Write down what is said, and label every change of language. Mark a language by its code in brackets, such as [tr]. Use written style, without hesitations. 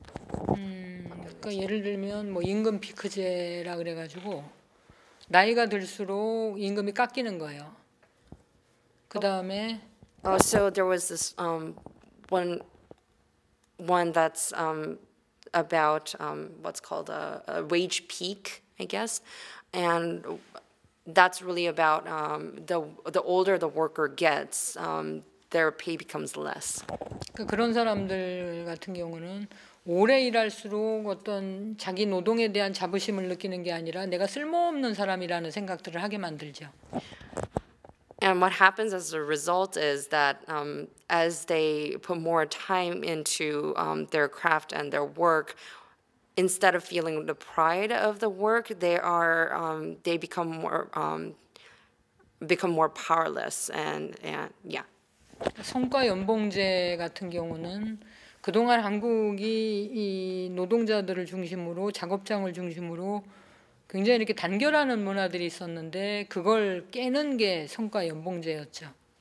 [ko] 그러니까 예를 들면 뭐 임금 피크제라 그래가지고 나이가 들수록 임금이 깎이는 거예요. 그다음에 [en] so there was this one that's about what's called a wage peak, I guess, and that's really about the older the worker gets, their pay becomes less. [ko] 그런 사람들 같은 경우는 오래 일할수록 어떤 자기 노동에 대한 자부심을 느끼는 게 아니라 내가 쓸모없는 사람이라는 생각들을 하게 만들죠. [en] And what happens as a result is that as they put more time into their craft and their work, instead of feeling the pride of the work, they become more powerless and yeah. [ko] 성과 연봉제 같은 경우는 그동안 한국이 이 노동자들을 중심으로 작업장을 중심으로 굉장히 이렇게 단결하는 문화들이 있었는데 그걸 깨는 게 성과 연봉제였죠.